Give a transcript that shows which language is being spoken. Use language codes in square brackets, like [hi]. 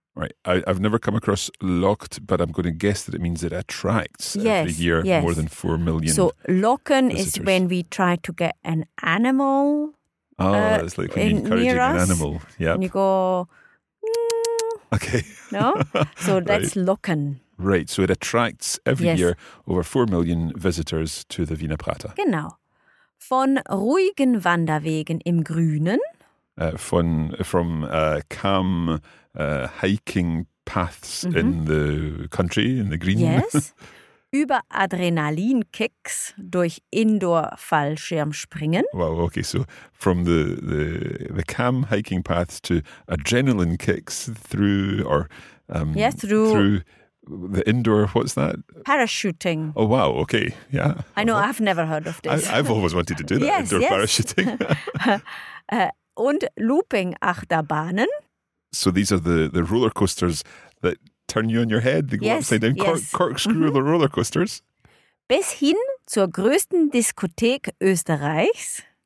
[en] Right, I've never come across locked, but I'm going to guess that it means it attracts every year more than 4 million. So locken is when we try to get an animal. Oh, it's like when you're encouraging an animal. Yeah. And you go, okay. No? So that's locken. Right. So it attracts every year over 4 million visitors to the Wiener Prater. [de] Genau. Von ruhigen Wanderwegen im Grünen. [en] From calm hiking paths in the country, in the green. [de] Yes. Über Adrenalinkicks durch Indoor-Fallschirmspringen. [en] Wow, okay, so from the calm hiking paths to adrenaline kicks through the indoor, what's that? Parachuting. Oh, wow, okay, yeah. I know, I've never heard of this. I've always wanted to do that, parachuting. [de] Und Looping-Achterbahnen. [en] So these are the roller coasters that turn you on your head, they go upside down, corkscrew the roller coasters. [de] Bis hin zur größten Diskothek Österreichs.